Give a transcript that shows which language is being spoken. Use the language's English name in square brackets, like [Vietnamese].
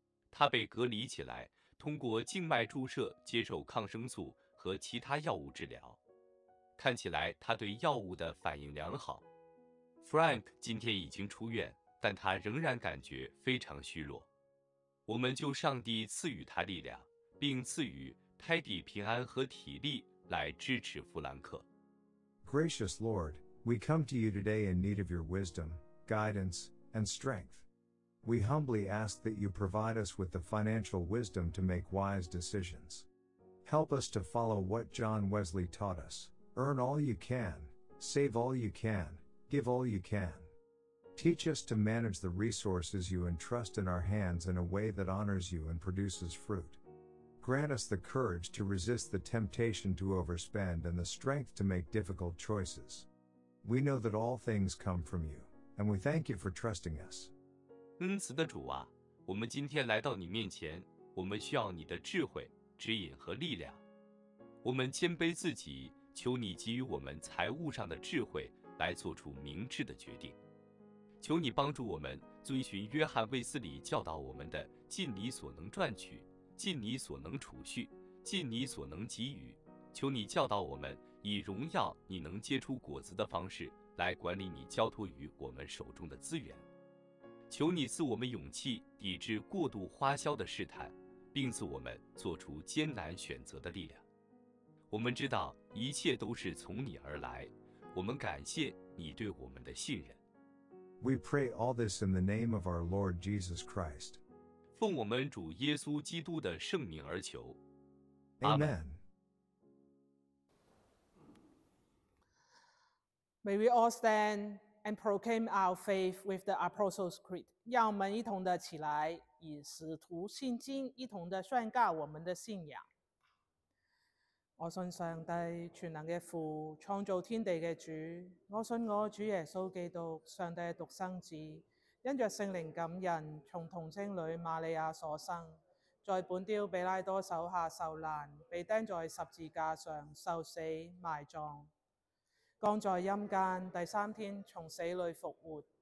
[Chinese] 他被隔离起来，通过静脉注射接受抗生素和其他药物治疗。看起来他对药物的反应良好。Frank 今天已经出院，但他仍然感觉非常虚弱。我们就上帝赐予他力量。并赐予 Peggy 平安和体力来支持弗兰克。 [English] Gracious Lord, we come to you today in need of your wisdom, guidance, and strength. We humbly ask that you provide us with the financial wisdom to make wise decisions. Help us to follow what John Wesley taught us, earn all you can, save all you can, give all you can. Teach us to manage the resources you entrust in our hands in a way that honors you and produces fruit. Grant us the courage to resist the temptation to overspend and the strength to make difficult choices. We know that all things come from you, and we thank you for trusting us. [Chinese] 恩慈的主啊，我们今天来到你面前，我们需要你的智慧、指引和力量。我们谦卑自己，求你给予我们财务上的智慧，来做出明智的决定。求你帮助我们遵循约翰·卫斯理教导我们的，尽你所能赚取。尽你所能储蓄，尽你所能给予，求你教导我们以荣耀你能结出果子的方式来管理你交托于我们手中的资源。求你赐我们勇气抵制过度花销的试探，并赐我们做出艰难选择的力量。我们知道一切都是从你而来，我们感谢你对我们的信任。 [English] We pray all this in the name of our Lord Jesus Christ. [Chinese] 奉我们主耶稣基督的圣名而求， [English] Amen. May we all stand and proclaim our faith with the Apostles' Creed. [Chinese] 让我们一同的起来，以使徒信经一同的宣告我们的信仰。我信上帝全能的父，创造天地的主。我信我主耶稣基督，上帝的独生子。因着圣灵感孕，从童贞女玛利亚所生，在本丢比拉多手下受难，被钉在十字架上受死埋葬，降在阴间，第三天从死里复活。